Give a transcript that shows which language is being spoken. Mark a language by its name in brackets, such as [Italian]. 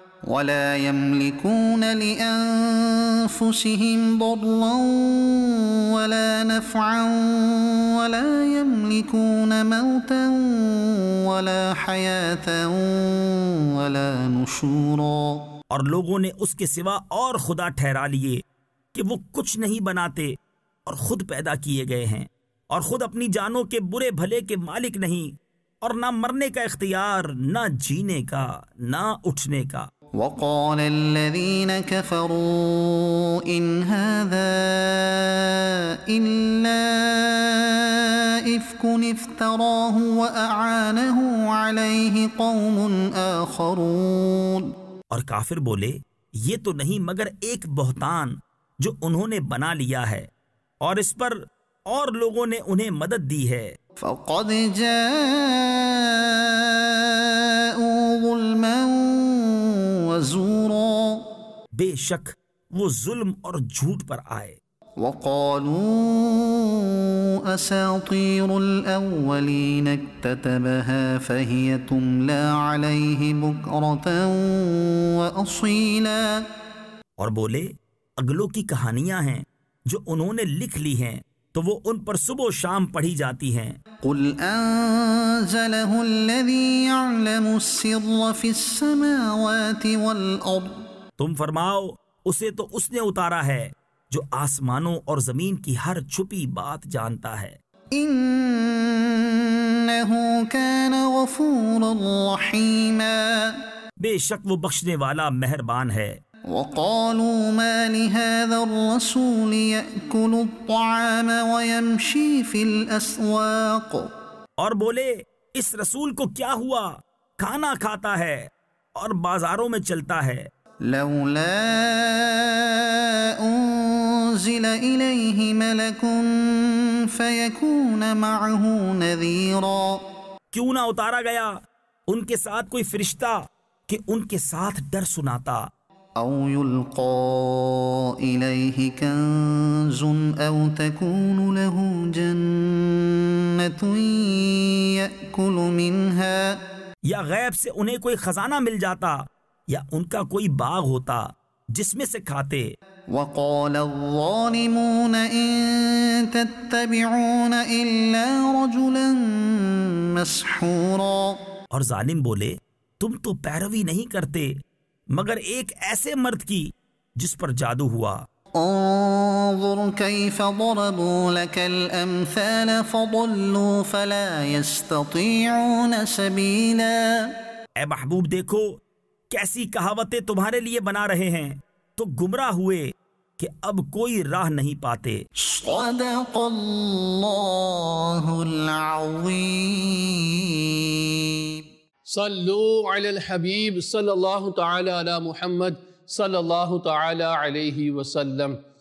[Arabic] ولا يملكون لأنفسهم ضرا ولا نفعا ولا يملكون موتا ولا حياة ولا نشورا [Urdu] اور لوگوں نے اس کے سوا اور خدا ٹھہرا لیے کہ وہ کچھ نہیں بناتے اور خود پیدا کیے گئے ہیں اور خود اپنی جانوں کے برے بھلے کے مالک نہیں اور نہ مرنے کا اختیار نہ جینے کا نہ اٹھنے کا [Arabic] وقال الذين كفروا إن هذا إلا إفك افتراه وأعانه عليه قوم آخرون [Urdu] اور کافر بولے یہ تو نہیں مگر ایک بہتان جو انہوں نے بنا لیا ہے اور اس پر اور لوگوں نے انہیں مدد دی ہے [Arabic] فقد جاءوا ظلما وزورا [Urdu] بے شک وہ ظلم اور جھوٹ پر آئے [Arabic] وقالوا اساطير الاولين اكتتبها فهي تملى عليه بكره واصيلا [Urdu] اور بولے اگلوں کی کہانیاں ہیں جو انہوں نے لکھ لی ہیں تو وہ ان پر صبح و شام پڑھی جاتی ہیں [Arabic] قُلْ أَنزَلَهُ الَّذِي يَعْلَمُ السِّرَّ فِي السَّمَاوَاتِ وَالْأَرْضِ [Urdu] تم فرماؤ اسے تو اس نے اتارا ہے جو آسمانوں اور زمین کی ہر چھپی بات جانتا ہے [Arabic] إِنَّهُ كَانَ غَفُورًا رَّحِيمًا [Urdu] بے شک وہ بخشنے والا مہربان ہے [Arabic] وقالوا ما لهذا الرسول يأكل الطعام ويمشي في الأسواق [Urdu] اور بولے اس رسول کو کیا ہوا کھانا کھاتا ہے اور بازاروں میں چلتا ہے [Arabic] لولا انزل إليه ملك فيكون معه نذيرا [Urdu] کیوں نہ اتارا گیا ان کے ساتھ کوئی فرشتہ کہ ان کے ساتھ ڈر سناتا. [Arabic] او یلقا الیہ کنز او تکون له جنت یأکل منها, [Urdu] یا غیب سے انہیں کوئی خزانہ مل جاتا یا ان کا کوئی باغ ہوتا جس میں سے کھاتے. [Arabic] وقال الظالمون ان تتبعون الا رجلا مسحورا, [Urdu] اور ظالم بولے تم تو پیروی نہیں کرتے مگر ایک ایسے مرد کی جس پر جادو ہوا. [Arabic] انظر كيف ضربوا لك الامثال فضلوا فلا يستطيعون سبيلا, [Urdu] اے محبوب دیکھو کیسی کہاوتیں تمہارے لیے بنا رہے ہیں تو گمراہ ہوئے کہ اب کوئی راہ نہیں پاتے. [Arabic] صدق اللہ العظیم. صلو علی الحبیب صلی اللہ تعالی علی محمد صلی اللہ تعالی علیہ وسلم.